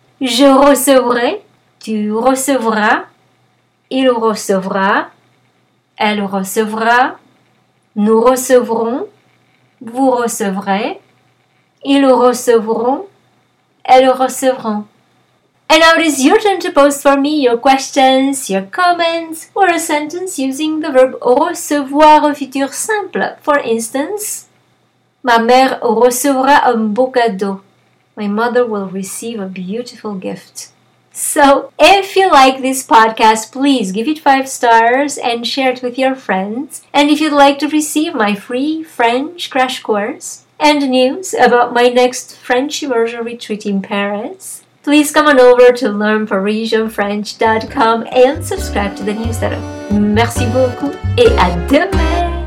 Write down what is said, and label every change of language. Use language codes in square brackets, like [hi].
[fr] Je recevrai, tu recevras, il recevra, elle recevra, nous recevrons, vous recevrez, ils recevront, elles recevront. [en] And now it is your turn to post for me your questions, your comments, or a sentence using the verb [fr] recevoir au futur simple. [en] For instance, [fr] ma mère recevra un beau cadeau. [en] My mother will receive a beautiful gift. So, if you like this podcast, please give it 5 stars and share it with your friends. And if you'd like to receive my free French crash course and news about my next French immersion retreat in Paris, please come on over to learnparisianfrench.com and subscribe to the newsletter. [fr] Merci beaucoup et à demain!